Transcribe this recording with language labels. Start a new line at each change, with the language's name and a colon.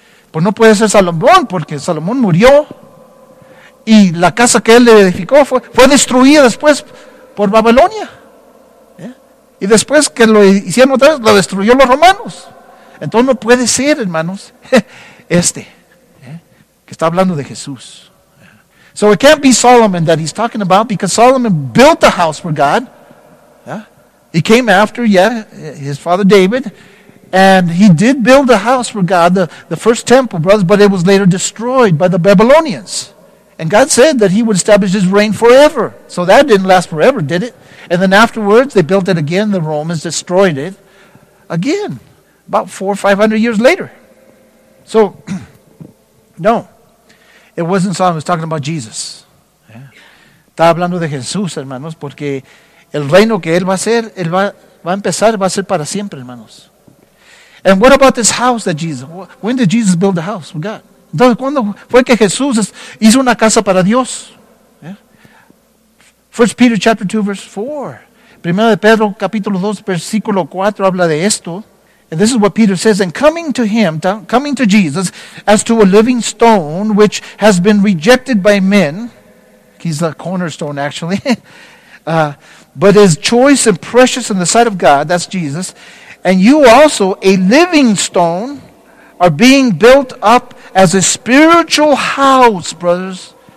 Spanish: Pues no puede ser Salomón, porque Salomón murió, y la casa que él le edificó fue destruida después por Babilonia. Y después que lo hicieron otra vez, lo destruyó los romanos. Entonces no puede ser, hermanos, que está hablando de Jesús.
English: So it can't be Solomon that he's talking about, because Solomon built a house for God. Yeah? He came after, his father David, and he did build a house for God, the first temple, brothers, but it was later destroyed by the Babylonians. And God said that he would establish his reign forever. So that didn't last forever, did it? And then afterwards, they built it again, the Romans destroyed it again. About 400 or 500 years later. So, no. It wasn't Solomon. It was talking about Jesus.
Spanish: Está hablando de Jesús, hermanos, porque el reino que él va a hacer, él va a empezar, va a ser para siempre, hermanos.
English: And what about this house that Jesus, when did Jesus build a house with God?
Spanish: Entonces, ¿cuándo fue que Jesús hizo una casa para Dios?
English: First Peter chapter 2, verse 4.
Spanish: Primero de Pedro, capítulo 2, versículo 4, habla de esto.
English: And this is what Peter says, and coming to Jesus as to a living stone which has been rejected by men, he's the cornerstone actually, but is choice and precious in the sight of God, that's Jesus, and you also, a living stone, are being built up as a spiritual house, brothers.